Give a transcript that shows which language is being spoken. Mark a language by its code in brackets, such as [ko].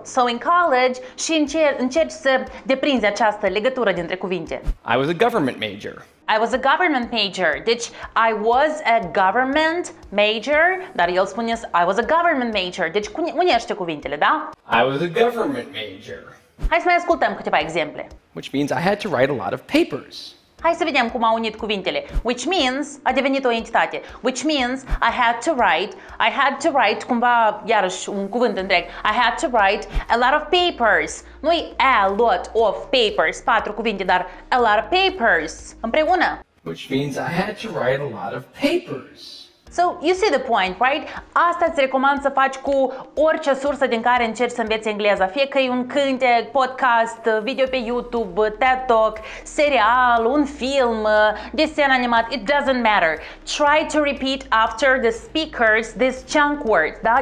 [en] So in college [ro] și încerci să deprinzi această legătură dintre cuvinte. [en] I was a government major. [ro] Deci, [en] I was a government major. [ro] Dar el spune, [en] I was a government major. [ro] Deci, unește cuvintele, da? [en] I was a government major. [ro] Hai să mai ascultăm câteva exemple. [en] Which means I had to write a lot of papers. [ro] Hai să vedem cum au unit cuvintele. [en] Which means, [ro] a devenit o entitate. Which means, [en] I had to write, [ro] cumva, iarăși, un cuvânt întreg. [en] I had to write a lot of papers. [ro] Nu-i [en] a lot of papers, [ro] patru cuvinte, dar [en] a lot of papers. [ro] Împreună. [en] Which means, I had to write a lot of papers. So, you see the point, right? [ro] Asta îți recomand să faci cu orice sursă din care încerci să înveți engleza. Fie că e un cântec, podcast, video pe YouTube, TED Talk, serial, un film, desen animat, [en] it doesn't matter. Try to repeat after the speakers this chunk word, [ro] da?